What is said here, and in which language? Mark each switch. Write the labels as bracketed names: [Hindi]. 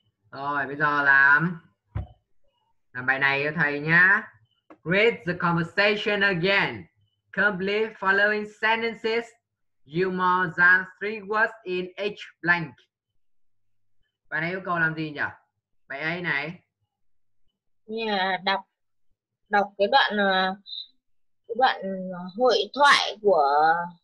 [Vietnamese] Rồi bây giờ làm bài này cho thầy nhá. [English] Read the conversation again. Complete following sentences. You more than 3 words in each blank. [Vietnamese] Bài này yêu cầu làm gì nhỉ? Bài A này. Đọc cái đoạn hội thoại của